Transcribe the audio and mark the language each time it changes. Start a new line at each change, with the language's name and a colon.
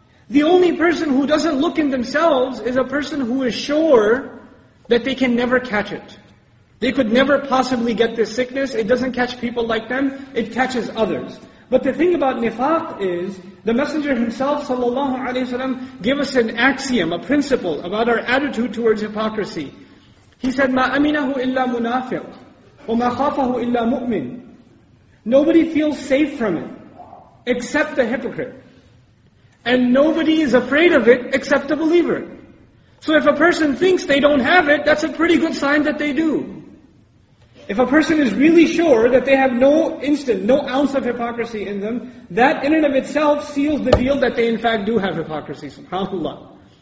English: The only person who doesn't look in themselves is a person who is sure that they can never catch it. They could never possibly get this sickness. It doesn't catch people like them. It catches others. But the thing about nifaq is, the Messenger himself, sallallahu alaihi wasallam, gave us an axiom, a principle about our attitude towards hypocrisy. He said,
Arabic: مَا أَمِنَهُ إِلَّا مُنَافِقُ وَمَا خَافَهُ إِلَّا مُؤْمِنُ.
English: Nobody feels safe from it, except the hypocrite. And nobody is afraid of it, except the believer. So if a person thinks they don't have it, that's a pretty good sign that they do. If a person is really sure that they have no ounce of hypocrisy in them, that in and of itself seals the deal that they in fact do have hypocrisy, subhanAllah.